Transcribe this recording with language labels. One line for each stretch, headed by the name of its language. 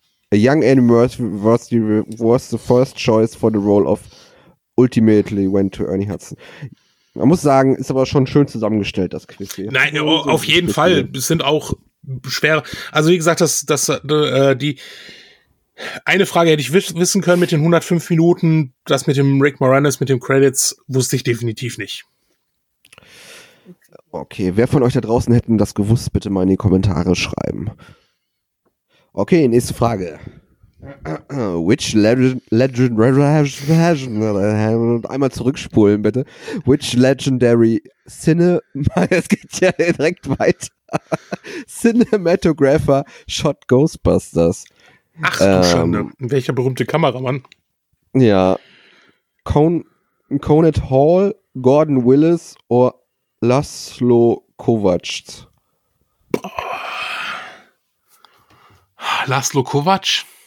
English: A young Eddie Murphy was the first choice for the role of ultimately went to Ernie Hudson.
German: Man muss sagen, ist aber schon schön zusammengestellt, das Quiz hier. Nein, so auf jeden Fall. Es sind auch schwere. Also wie gesagt, die eine Frage hätte ich wissen können mit den 105 Minuten. Das mit dem Rick Moranis, mit dem Credits, wusste ich definitiv nicht. Okay, wer von euch da draußen hätten das gewusst, bitte mal in die Kommentare schreiben. Okay, nächste Frage. Which einmal zurückspulen, bitte.
English: Which legendary cinema,
German: es geht ja direkt weiter.
English: Cinematographer shot Ghostbusters.
German: Ach du Schande, welcher berühmte Kameramann. Ja. Conet Hall, Gordon Willis oder Laszlo Kovács. Laszlo Kovács?